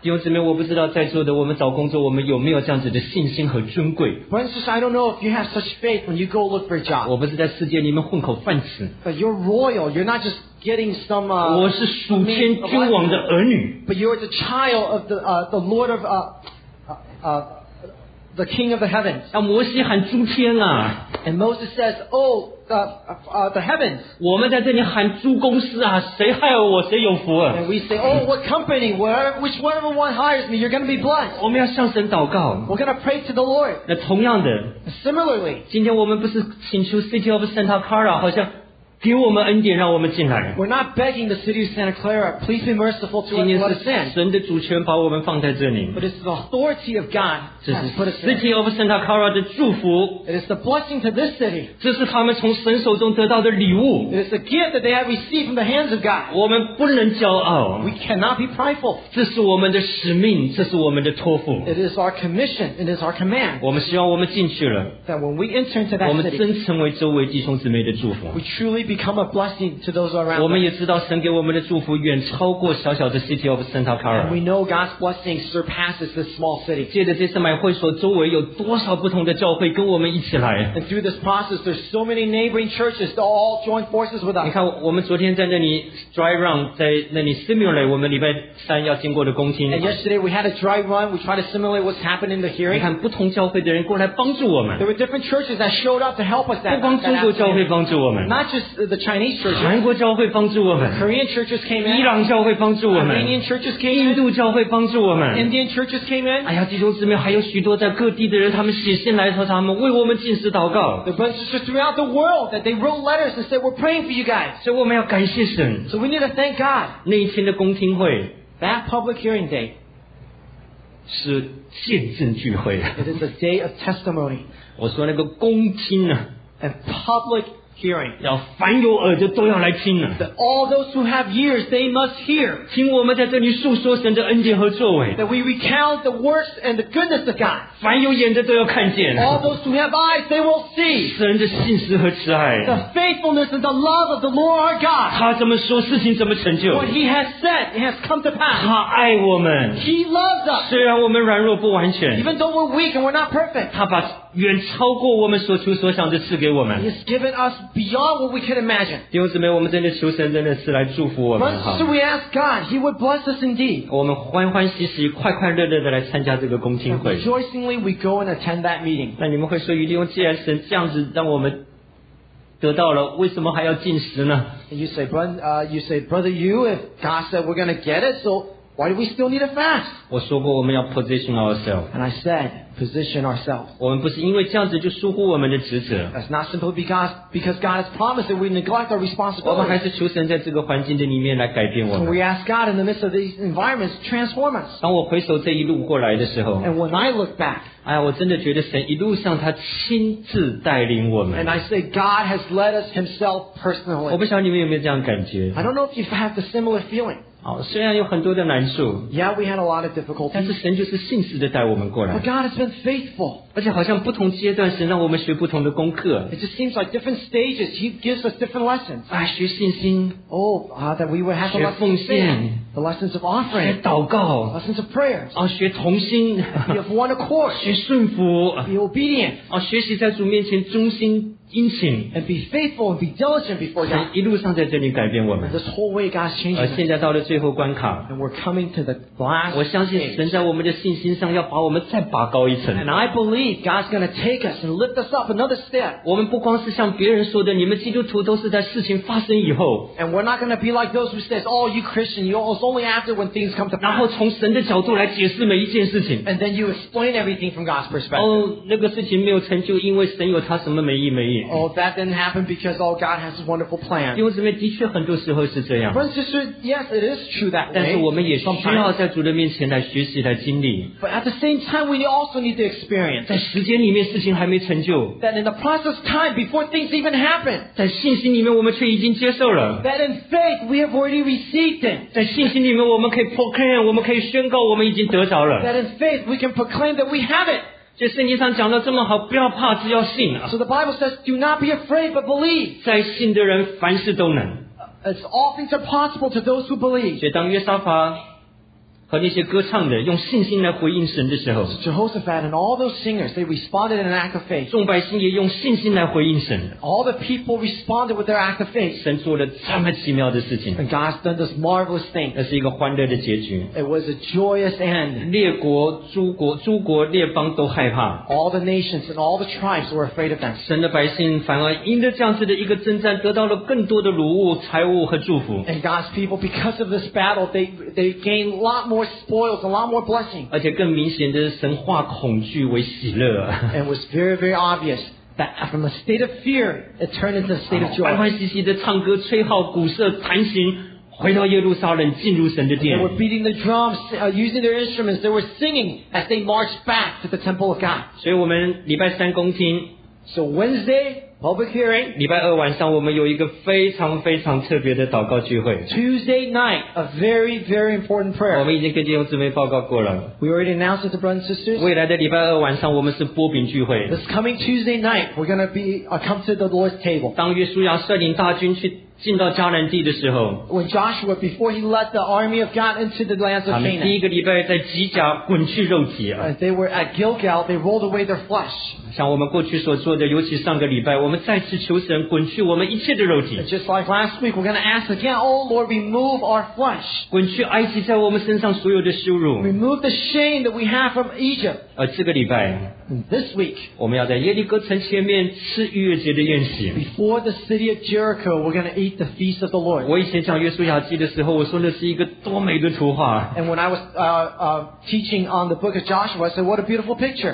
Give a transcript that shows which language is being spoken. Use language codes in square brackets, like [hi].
[zh] 弟兄姊妹,我不知道在座的, 我们找工作, [en] Francis, I don't know if you have such faith when you go look for a job. [zh] 我不是在世界里面混口饭吃, [en] but you're royal, you're not just getting some but you're the child of the Lord of the King of the Heavens. [zh] 但摩西喊诸天啊, [en] and Moses says, oh, the heavens. [zh] 我们在这里喊猪公司啊, 谁害我, [en] and we say, oh, what company, whichever one hires me, you're going to be blessed. [zh] 我们要向神祷告, [en] we're going to pray to the Lord. [zh] 那同样的, [en] similarly, [zh] 今天我们不是请求 City of Santa Clara, 好像给我们恩典, [en] we're not begging the City of Santa Clara, please be merciful to us and let us in. [zh] 神的主权把我们放在这里, [en] but it's the authority of God. [zh] City of Santa Clara 的祝福, [en] it is the blessing to this city. It is the gift that they have received from the hands of God. We cannot be prideful. [zh] 这是我们的使命, [en] it is our commission, it is our command. [zh] 我们希望我们进去了, [en] that when we enter into that city, we truly become a blessing to those around us. [zh] 我们也知道神给我们的祝福远超过小小的 City of Santa Clara. [en] And we know God's blessing surpasses this small city. [zh] 会所周围有多少不同的教会跟我们一起来, [en] and through this process, there's so many neighboring churches to all join forces with us. [zh] 你看我们昨天在那里 dry run, 在那里 simulate 我们礼拜三要经过的公听, [en] and yesterday we had a dry run, we tried to simulate what's happening in the hearing. [zh] 你看不同教会的人过来帮助我们, [en] there were different churches that showed up to help us, that [zh] 不光中国教会帮助我们, [en] not just the Chinese churches, [zh] 韩国教会帮助我们, [en] Korean churches came in, [zh] 伊朗教会帮助我们, [en] Armenian churches came in, [zh] 印度教会帮助我们, [en] Indian churches came in. [zh] 哎呀弟兄姊妹, 还有许多在各地的人他们写信来说他们为我们进食祷告, [en] the bunches are throughout the world that they wrote letters and said we're praying for you guys. [zh] 所以我们要感谢神, [en] so we need to thank God. [zh] 那一天的公听会, [en] that public hearing day, [zh] 是见证聚会, [en] it is a day of testimony. [zh] 我说那个公听啊, [en] and public hearing, [zh] 要凡有耳朵都要来听啊, [en] that all those who have ears, they must hear, [zh] 听我们在这里述说神的恩典和作为, [en] that we recount the works and the goodness of God, [zh] 凡有眼的都要看见, [en] all those who have eyes, they will see, [zh] 神的信实和慈爱, [en] the faithfulness and the love of the Lord our God, [zh] 他怎么说事情怎么成就, [en] what He has said, it has come to pass, [zh] 他爱我们, [en] He loves us, [zh] 虽然我们软弱不完全, [en] even though we're weak and we're not perfect, [zh] 他把 远超过我们所求所想的赐给我们, [en] He has given us beyond what we can imagine. [zh] 弟兄姊妹,我们真的求神真的是来祝福我们, [en] so we ask God, He would bless us indeed. [zh] 我们欢欢喜喜, 快快乐乐地来参加这个公听会, [en] rejoicingly we go and attend that meeting. [zh] 那你们会说, 一定, 既然神这样子让我们 得到了,为什么还要进食呢? [en] You say, Brother Yu, if God said we're going to get it, so why do we still need a fast? [zh] 我说过我们要 [en] position ourselves. And I said, position ourselves. [zh] 我们不是因为这样子就疏忽我们的职责. [en] That's not simply because God has promised that we neglect our responsibility. [zh] 我们还是求神在这个环境的里面来改变我们. [en] So we ask God in the midst of these environments, transform us. [zh] 当我回首这一路过来的时候, [en] and when I look back, [zh] 哎呀,我真的觉得神一路上他亲自带领我们. [en] And I say, God has led us Himself personally. [zh] 我不晓得你们有没有这样感觉. [en] I don't know if you have the similar feeling. [zh] 虽然有很多的难处, [en] yeah, we had a lot of difficulty, [zh] 但是神就是信实地带我们过来, [en] but God has been faithful. [zh] 而且好像不同阶段神让我们学不同的功课, [en] it just seems like different stages, He gives us different lessons. [zh] 学信心, [en] oh, that we would have the lessons, [zh] 学奉献, [en] the lessons of offering, [zh] 学祷告, [en] lessons of prayers, [zh] 学同心, [en] be of one accord, [zh] 学顺服, [en] be obedient, [zh] 学习在主面前忠心殷勤 [en] and be faithful and be diligent before God. [zh] 一路上在这里改变我们 [en] and this whole way God's changing. [zh] 而现在到了最后关卡 [en] and we're coming to the last. [zh] 我相信神在我们的信心上要把我们再拔高一层 [en] and I believe God's going to take us and lift us up another step. [zh] 我们不光是像别人说的，你们基督徒都是在事情发生以后 [en] and we're not going to be like those who says, "Oh, you Christian, it's only after when things come to pass." [zh] 然后从神的角度来解释每一件事情 [en] and then you explain everything from God's perspective. [zh] 哦，那个事情没有成就，因为神有他什么美意美意。 [en] Oh, that didn't happen because all God has a wonderful plan. [zh] 因为这边的确很多时候是这样。 [en] But it's just, yes, it is true that way. [zh] 但是我们也需要在主的面前来学习来经历。 [en] But at the same time, we also need to experience. [zh] 在时间里面事情还没成就。 [en] That in the process of time, before things even happen. [zh] 在信心里面我们却已经接受了。 [en] That in faith, we have already received it. [zh] 在信心里面我们可以 proclaim, 我们可以宣告我们已经得着了。 [en] That in faith, we can proclaim that we have it. [zh] 就圣经上讲的这么好，不要怕，只要信啊。 [en] So the Bible says, "Do not be afraid, but believe." [zh] 在信的人凡事都能。 [en] It's all things are possible to those who believe. [zh] 所以当约沙法和那些歌唱的用信心来回应神的时候 [en] ，So Jehoshaphat and all those singers, they responded in an act of faith. [zh] 众百姓也用信心来回应神。 [en] All the people responded with their act of faith. [zh] 神做了这么奇妙的事情。 [en] And God's done this marvelous thing. [zh] 那是一个欢乐的结局。 [en] It was a joyous end. [zh] 列国、诸国、列邦都害怕。 [en] All the nations and all the tribes were afraid of them. [zh] 神的百姓反而因着这样子的一个征战，得到了更多的礼物、财物和祝福。 [en] And God's people, because of this battle, they gained a lot more. Spoils a lot more blessing. [zh] 而且更明显的是，神化恐惧为喜乐。 [en] And it was very, very obvious that from a state of fear, it turned into a state of joy. [zh] 欢欢喜喜的唱歌、吹号、鼓瑟、弹琴，回到耶路撒冷，进入神的殿。 [en] They were beating the drums, using their instruments. They were singing as they marched back to the temple of God. [zh] 所以我们礼拜三公听。 [en] So Wednesday. Public hearing. [zh] 礼拜二晚上我们有一个非常非常特别的祷告聚会。 [en] Tuesday night, a very, very important prayer. [zh] 我们已经跟弟兄姊妹报告过了。 [en] We already announced it to brothers and sisters. [zh] 未来的礼拜二晚上我们是波饼聚会。 [en] This coming Tuesday night, we're going to be, come to the Lord's table. [zh] 当约书亚率领大军去进到迦南地的时候 [en] When Joshua, before he led the army of God into the lands of Canaan, [zh] 他们第一个礼拜在基甲滚去肉体啊。 [en] They were at Gilgal, they rolled away their flesh. [zh] 像我们过去所做的，尤其上个礼拜，我们再次求神滚去我们一切的肉体。 [en] Just like last week, we're going to ask again, Oh Lord, remove our flesh. [zh] 滚去埃及在我们身上所有的羞辱。 [en] Remove the shame that we have from Egypt. [zh] 这个礼拜 [en] This week, [zh] 我们要在耶利哥城前面吃逾越节的宴席。 [en] Before the city of Jericho, we're going to eat the feast of the Lord. [zh] 我以前讲约书亚记的时候，我说那是一个多美的图画。 [en] And when I was teaching on the book of Joshua, I said, "What a beautiful picture!"